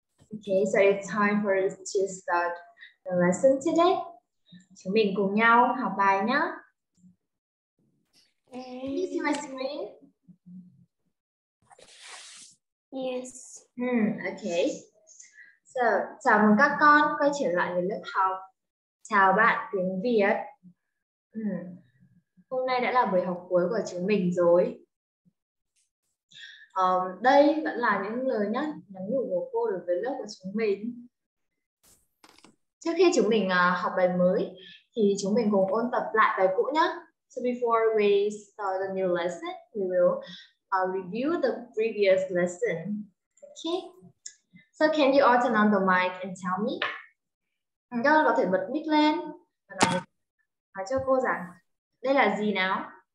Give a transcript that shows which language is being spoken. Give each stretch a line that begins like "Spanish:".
English: Okay, so it's time for us to start the lesson today.
Vietnamese: Chúng mình cùng nhau học bài nhé.
English: Can you see my screen? Yes. Okay.
Vietnamese: So, chào mừng các con quay trở lại với lớp học. Chào bạn tiếng Việt. Hôm nay đã là buổi học cuối của chúng mình rồi. Đây vẫn là những lời nhắn nhủ của cô đối với lớp của chúng mình. Trước khi chúng mình học bài mới thì chúng mình cùng ôn tập lại bài cũ nhé.
English: So before we start the new lesson, we will review the previous lesson. Okay. So can you all turn on the mic and tell me?
Vietnamese: Các con có thể bật mic lên và nói cho cô rằng đây là gì nào?